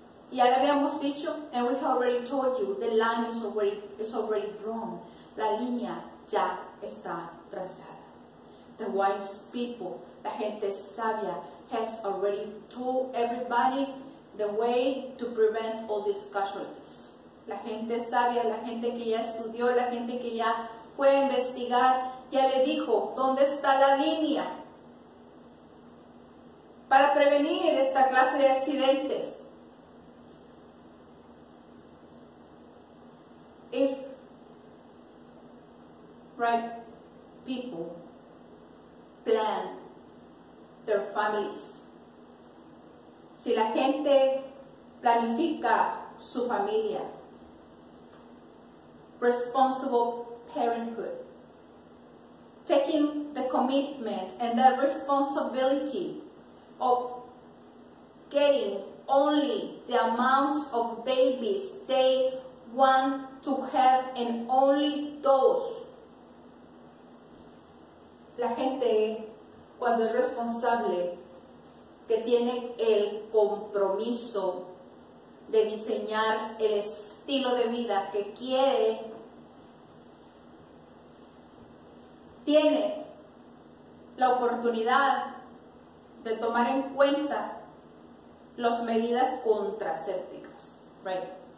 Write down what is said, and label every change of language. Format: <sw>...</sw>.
<es>Y ya le habíamos dicho,</es> <en>and we have already told you, the line is already drawn.</en> <es>La línea ya está trazada.</es> <en>The wise people,</en> <es>la gente sabia,</es> <en>has already told everybody the way to prevent all these casualties.</en> <es>La gente sabia, la gente que ya estudió, la gente que ya fue a investigar, ya le dijo, ¿dónde está la línea para prevenir esta clase de accidentes?</es> <en>If right people plan their families,</en> <es>si la gente planifica su familia,</es> <en>responsible parenthood, taking the commitment and the responsibility of getting only the amounts of babies they want to have and only those.</en> <es>La gente, cuando es responsable, que tiene el compromiso de diseñar el estilo de vida que quiere, tiene la oportunidad de tomar en cuenta las medidas contracépticas, right?</es>